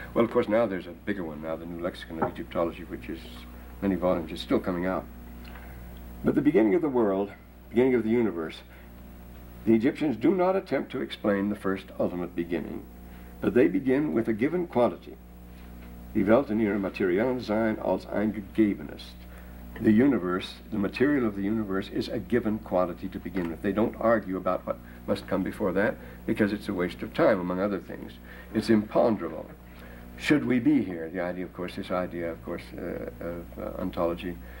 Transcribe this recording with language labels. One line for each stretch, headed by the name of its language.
English: Well, of course, now there's a bigger one now, the new lexicon of Egyptology, which is many volumes, is still coming out. But the beginning of the world, beginning of the universe, the Egyptians do not attempt to explain the first ultimate beginning. But they begin with a given quantity.
German: Die Welt in ihrer materiellen Sein als ein gegebenes.
English: The universe, the material of the universe, is a given quantity to begin with. They don't argue about what must come before that, because it's a waste of time, among other things. It's imponderable. Should we be here? The idea, of course, this idea, of course, of ontology.